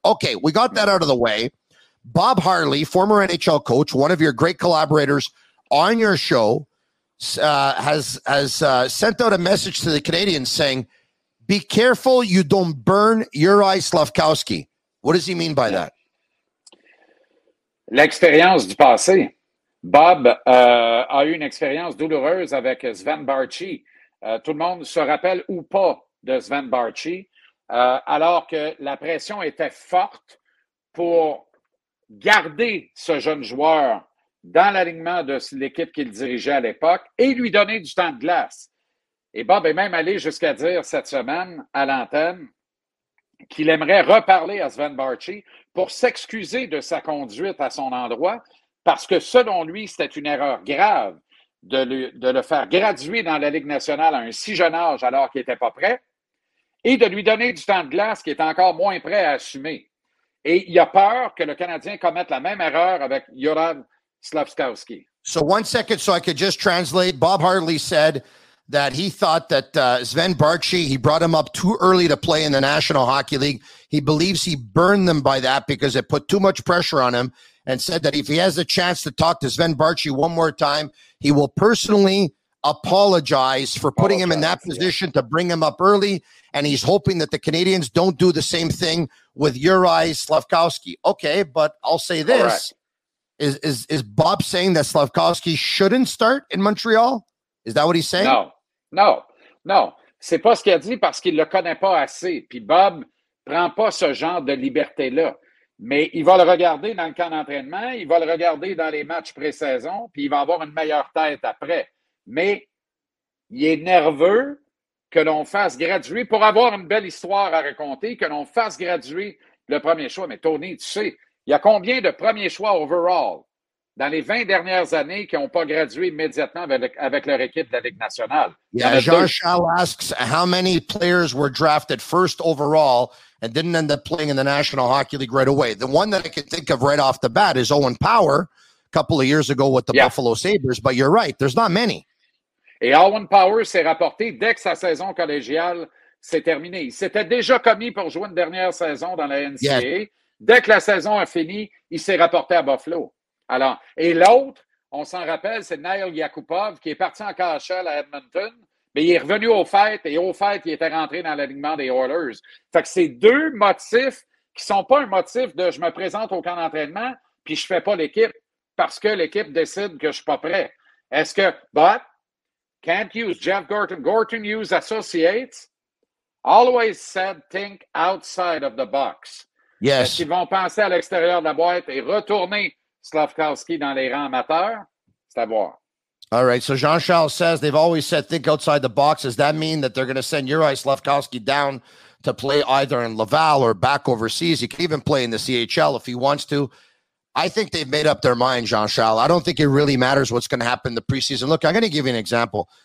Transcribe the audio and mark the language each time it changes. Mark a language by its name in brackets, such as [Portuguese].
[English] Okay, we got that out of the way. Bob Hartley, former NHL coach, one of your great collaborators on your show, has sent out a message to the Canadians saying, be careful you don't burn Juraj Slafkovský. What does he mean by that? [French] L'expérience du passé. Bob a eu une expérience douloureuse avec Sven Barchi. Tout le monde se rappelle ou pas de Sven Barchi, alors que la pression était forte pour garder ce jeune joueur dans l'alignement de l'équipe qu'il dirigeait à l'époque et lui donner du temps de glace. Et Bob est même allé jusqu'à dire cette semaine à l'antenne qu'il aimerait reparler à Sven Barchi pour s'excuser de sa conduite à son endroit parce que selon lui, c'était une erreur grave de le faire graduer dans la Ligue nationale à un si jeune âge alors qu'il n'était pas prêt et de lui donner du temps de glace qu'il était encore moins prêt à assumer. Et il a peur que le Canadien commette la même erreur avec Juraj Slafkovský. [English] So one second, so I could just translate. Bob Hartley said that he thought that Sven Barchi, he brought him up too early to play in the National Hockey League. He believes he burned them by that because it put too much pressure on him and said that if he has a chance to talk to Sven Barchi one more time, he will personally apologize for putting him in that position to bring him up early. And he's hoping that the Canadians don't do the same thing with Juraj Slafkovský. Okay, but I'll say this. Is Bob saying that Slafkovský shouldn't start in Montreal? Is that what he's saying? No. [French] c'est pas ce qu'il a dit parce qu'il le connaît pas assez. Puis Bob prend pas ce genre de liberté-là. Mais il va le regarder dans le camp d'entraînement, il va le regarder dans les matchs pré-saison, puis il va avoir une meilleure tête après. Mais il est nerveux que l'on fasse graduer pour avoir une belle histoire à raconter, que l'on fasse graduer le premier choix. Mais Tony, tu sais, il y a combien de premiers choix overall dans les 20 dernières années qui n'ont pas gradué immédiatement avec leur équipe de la Ligue nationale? [English] Yeah, Jean-Charles asks, how many players were drafted first overall and didn't end up playing in the National Hockey League right away? The one that I can think of right off the bat is Owen Power a couple of years ago with the Buffalo Sabres, but you're right, there's not many. [French] Et Owen Power s'est rapporté dès que sa saison collégiale s'est terminée. Il s'était déjà commis pour jouer une dernière saison dans la NCAA. [English] Yeah. [French] Dès que la saison a fini, il s'est rapporté à Buffalo. Alors, et l'autre, on s'en rappelle, c'est Neil Yakupov qui est parti en KHL à Edmonton, mais il est revenu au fait, et au fait, il était rentré dans l'alignement des Oilers. Fait que c'est deux motifs qui ne sont pas un motif de « je me présente au camp d'entraînement, puis je ne fais pas l'équipe parce que l'équipe décide que je ne suis pas prêt ». Est-ce que [English] « but » Kent Hughes, Jeff Gorton, Gorton Hughes Associates, always said, think outside of the box. Yes. [French] Est-ce qu'ils vont penser à l'extérieur de la boîte et retourner Slavkovski dans les rangs amateurs? C'est à voir. [English] All right. So Jean-Charles says, they've always said, think outside the box. Does that mean that they're going to send Juraj Slavkovski down to play either in Laval or back overseas? He can even play in the CHL if he wants to. I think they've made up their mind, Jean-Charles. I don't think it really matters what's going to happen in the preseason. Look, I'm going to give you an example.